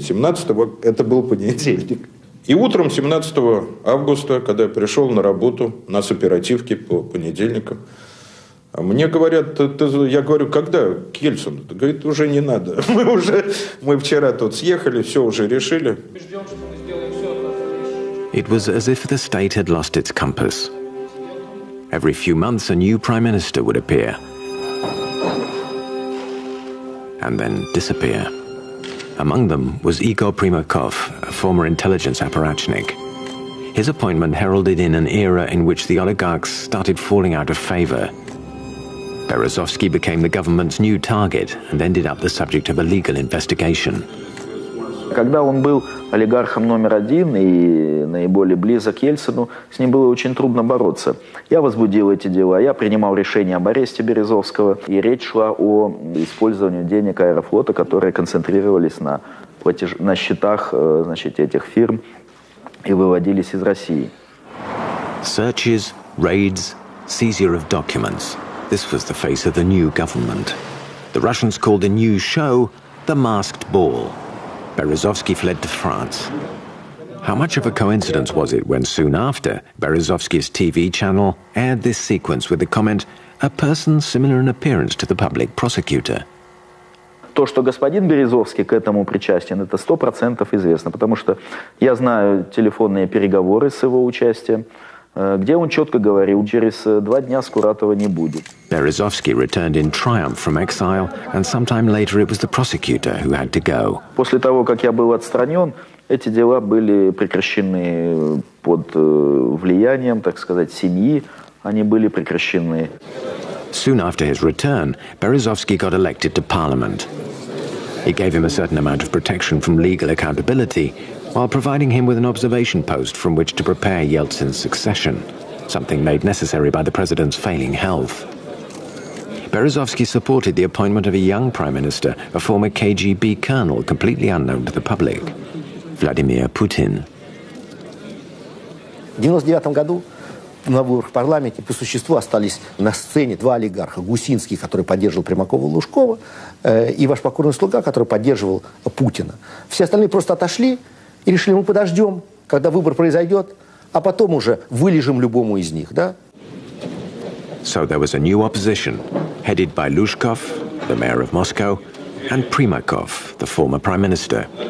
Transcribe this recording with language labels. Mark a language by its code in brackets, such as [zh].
[ru] 17-го это был понедельник. И утром 17 августа, когда я пришел на работу, у нас оперативки по понедельникам, мне говорят, я говорю, когда к Ельцину? Говорит, уже не надо. Мы вчера тут съехали, все уже решили. [en] It was as if the state had lost its compass. Every few months a new prime minister would appear. And then disappear. Among them was Igor Primakov, a former intelligence apparatchnik. His appointment heralded in an era in which the oligarchs started falling out of favor. Berezovsky became the government's new target and ended up the subject of a legal investigation. [ru] Когда он был олигархом номер один и наиболее близок к Ельцину, с ним было очень трудно бороться. Я возбудил эти дела, я принимал решение об аресте Березовского, и речь шла о использовании денег Аэрофлота, которые концентрировались на счетах, значит, этих фирм и выводились из России. [en] Searches, raids, seizure of documents. This was the face of the new government. The Russians called the new show the Masked Ball. Berezovsky fled to France. How much of a coincidence was it when soon after Berezovsky's TV channel aired this sequence with the comment, a person similar in appearance to the public prosecutor? [ru] То, что господин Березовский к этому причастен, это 100% известно, потому что я знаю телефонные переговоры с его участием, где он четко говорил, через два дня Скуратова не будет. [en] Березовский returned in triumph from exile, and sometime later it was the prosecutor who had to go. [ru] После того, как я был отстранен, эти дела были прекращены под влиянием, так сказать, семьи, они были прекращены. [en] Soon after his return, Березовский got elected to parliament. It gave him a certain amount of protection from legal accountability, while providing him with an observation post from which to prepare Yeltsin's succession, something made necessary by the president's failing health. Berezovsky supported the appointment of a young prime minister, a former KGB colonel, completely unknown to the public, Vladimir Putin. [ru] В 99 году на выборах в парламенте по существу остались на сцене два олигарха. Гусинский, который поддерживал Примакова и Лужкова, и ваш покорный слуга, который поддерживал Путина. Все остальные просто отошли и решили, мы подождем, когда выбор произойдет, а потом уже вылежим любому из них, да? [en] So there was a new opposition, headed by Lushkov, the mayor of Moscow, and Primakov, the former prime minister.